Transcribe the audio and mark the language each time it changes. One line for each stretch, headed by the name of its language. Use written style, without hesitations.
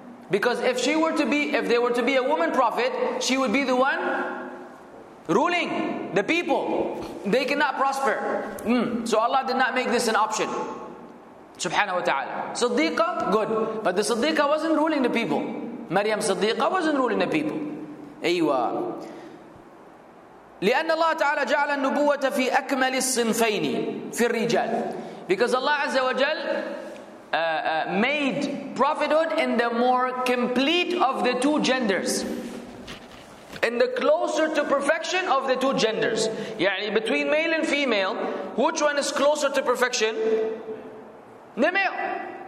English: Because if there were to be a woman prophet, she would be the one ruling the people. They cannot prosper. So Allah did not make this an option. Subhanahu wa ta'ala. Siddiqa, good. But the Siddiqa wasn't ruling the people. Maryam Siddiqa wasn't ruling the people.
Arabic: Aywa. لأن الله تعالى جعل النبوة في أكمل الصنفين في الرجال.
English: Because Allah Azza wa Jal made prophethood in the more complete of the two genders, in the closer to perfection of the two genders. يعني between male and female, which one is closer to perfection? The male.